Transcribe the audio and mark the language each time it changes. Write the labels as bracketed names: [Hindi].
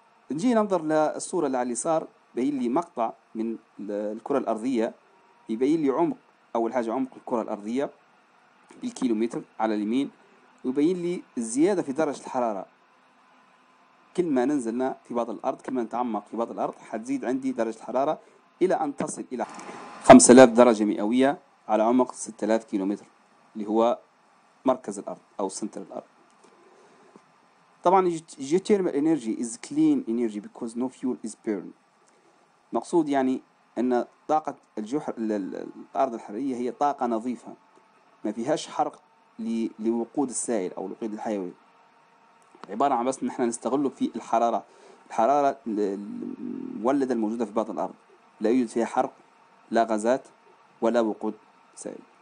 [Arabic] نجي ننظر للصورة اللي على اليسار، بيبين لي مقطع من الكرة الأرضية، يبين لي عمق، أول حاجة عمق الكرة الأرضية بالكيلومتر على اليمين، ويبين لي الزيادة في درجة الحرارة. كل ما ننزلنا في بعض الأرض، كل ما نتعمق في بعض الأرض، حتزيد عندي درجة الحرارة إلى أن تصل إلى 5000 درجة مئوية على عمق 6000 كيلومتر، اللي هو مركز الأرض أو سنتر الأرض. طبعاً [English] geothermal energy is clean energy because no fuel is burned. [Arabic] مقصود يعني أن طاقة الأرض الحرارية هي طاقة نظيفة، ما فيهاش حرق لوقود السائل أو الوقود الحيوي، عبارة عن بس نحن نستغله في الحرارة المولدة الموجودة في بعض الأرض، لا يوجد فيها حرق، لا غازات ولا وقود سائل.